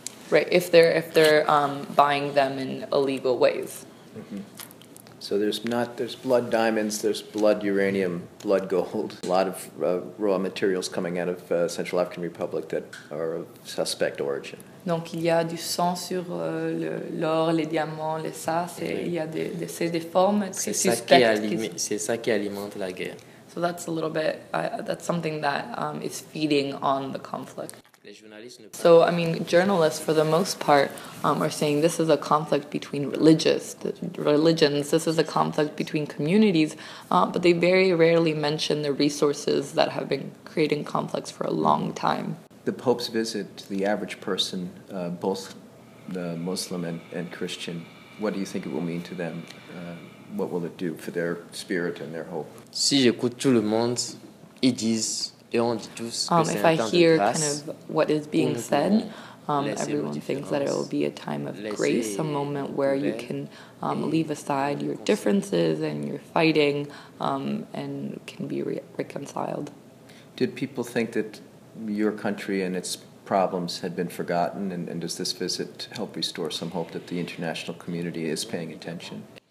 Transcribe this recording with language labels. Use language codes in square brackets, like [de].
[en] Right, if they're buying them in illegal ways. Mm-hmm. So there's blood diamonds, there's blood uranium, blood gold, a lot of raw materials coming out of Central African Republic that are of suspect origin. [fr] Donc il y a du sang sur l'or, les diamants, les ça, c'est il y a des formes très suspectes. C'est ça qui alimente la guerre. [en] So that's a little bit that's something that is feeding on the conflict. So, I mean, journalists, for the most part, are saying this is a conflict between religions, this is a conflict between communities, but they very rarely mention the resources that have been creating conflicts for a long time. The Pope's visit to the average person, both the Muslim and Christian, what do you think it will mean to them? What will it do for their spirit and their hope? [fr] Si j'écoute tout le monde, ils disent... [en] If I hear kind of what is being said, everyone thinks that it will be a time of grace, a moment where you can leave aside your differences and your fighting and can be reconciled. Did people think that your country and its problems had been forgotten, and does this visit help restore some hope that the international community is paying attention?